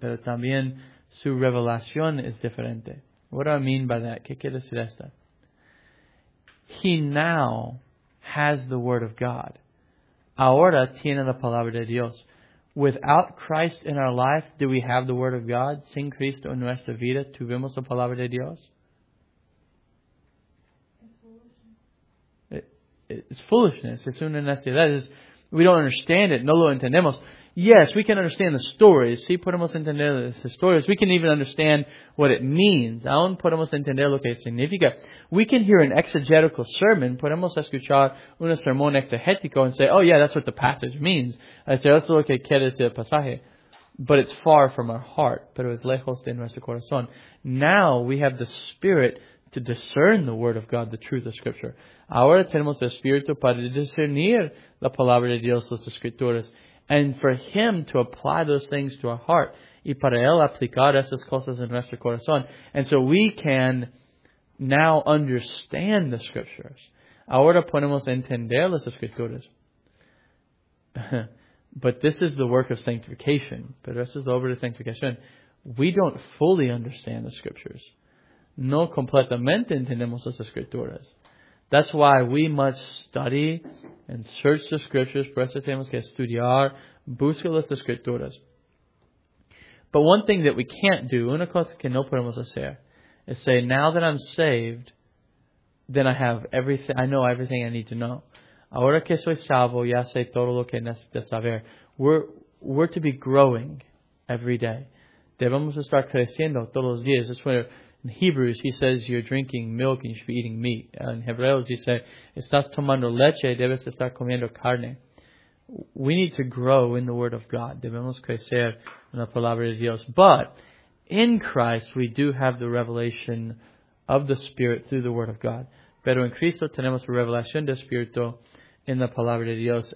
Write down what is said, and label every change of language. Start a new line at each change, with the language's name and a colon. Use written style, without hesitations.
Spanish: Pero también su revelación es diferente.
English: What do I mean by that?
Spanish: ¿Qué quiere decir esto?
English: He now has the word of God.
Spanish: Ahora tiene la palabra de Dios.
English: Without Christ in our life, do we have the word of God?
Spanish: Sin Cristo en nuestra vida, ¿tuvimos la palabra de Dios?
English: It's foolishness. It's
Spanish: una necesidad.
English: We don't understand it.
Spanish: No lo entendemos.
English: Yes, we can understand the stories.
Spanish: Sí, podemos entender las historias.
English: We can even understand what it means.
Spanish: Aún podemos entender lo que significa.
English: We can hear an exegetical sermon.
Spanish: Podemos escuchar un sermón exegético
English: and say, oh yeah, that's what the passage means.
Spanish: Eso es lo que quiere decir el pasaje.
English: But it's far from our heart.
Spanish: Pero es lejos de nuestro corazón.
English: Now we have the Spirit to discern the Word of God, the truth of Scripture.
Spanish: Ahora tenemos el Espíritu para discernir la Palabra de Dios, las Escrituras.
English: And for Him to apply those things to our heart.
Spanish: Y para Él aplicar esas cosas en nuestro corazón.
English: And so we can now understand the Scriptures.
Spanish: Ahora podemos entender las Escrituras.
English: But this is the work of sanctification.
Spanish: Pero esto es obra de sanctificación.
English: We don't fully understand the Scriptures.
Spanish: No completamente entendemos las Escrituras.
English: That's why we must study and search the Scriptures.
Spanish: Por eso tenemos que estudiar, buscar las Escrituras.
English: But one thing that we can't do,
Spanish: una cosa que no podemos hacer,
English: is say, now that I'm saved, then I have everything, I know everything I need to know.
Spanish: Ahora que soy salvo, ya sé todo lo que necesito saber.
English: We're to be growing every day.
Spanish: Debemos estar creciendo todos los días.
English: That's where in Hebrews, he says, you're drinking milk and you should be eating meat. In
Spanish: Hebreos,
English: he says,
Spanish: estás tomando leche, debes estar comiendo carne.
English: We need to grow in the Word of God.
Spanish: Debemos crecer en la Palabra de Dios.
English: But in Christ, we do have the revelation of the Spirit through the Word of God.
Spanish: Pero en Cristo tenemos revelación del Espíritu en la Palabra de Dios.